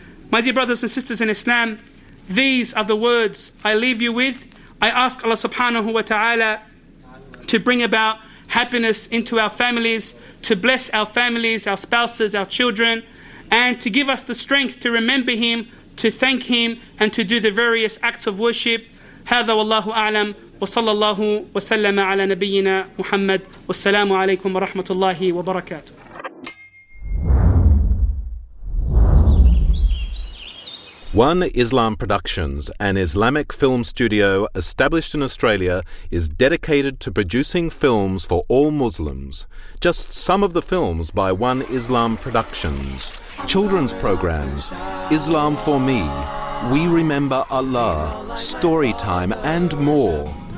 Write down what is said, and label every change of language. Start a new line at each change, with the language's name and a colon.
English: My dear brothers and sisters in Islam, these are the words I leave you with. I ask Allah subhanahu wa ta'ala to bring about happiness into our families, to bless our families, our spouses, our children, and to give us the strength to remember him, to thank him, and to do the various acts of worship.
Arabic: هذا والله أعلم وصلى الله وسلم على نبينا محمد والسلام عليكم ورحمة الله وبركاته.
English: One Islam Productions, an Islamic film studio established in Australia, is dedicated to producing films for all Muslims. Just some of the films by One Islam Productions. Children's programs, Islam for Me, We Remember Allah, Storytime and more.